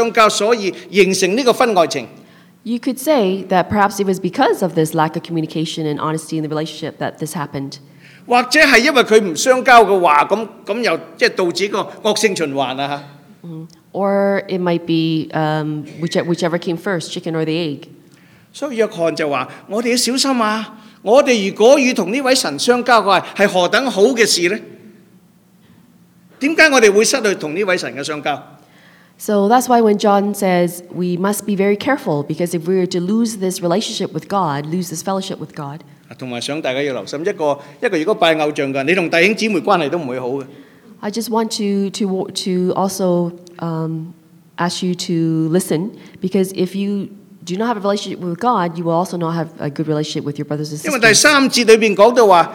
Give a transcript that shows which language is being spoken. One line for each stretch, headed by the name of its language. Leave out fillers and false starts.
Chinese: 你可以說或者是他們兩個是沒有好的相交,所以形成這個婚外情。
English: You could say that perhaps it was because of this lack of communication and honesty in the relationship that this happened.
Chinese: 或者是因為他不相交的話,那又導致一個惡性循環。
English: Or it might be whichever came first, chicken or the egg.
Chinese: 所以約翰就說,我們要小心啊,我們如果與這位神相交,是何等好的事呢?為什麼我們會失去與這位神的相交?
English: So that's why when John says, we must be very careful, because if we are to lose this relationship with God, lose this fellowship with God,
Chinese: 還有想大家要留心,一個如果拜偶像的,你和弟兄姊妹關係都不會好的。
English: I just want to also ask you to listen, because if you do not have a relationship with God, you will also not have a good relationship with your brothers and sisters.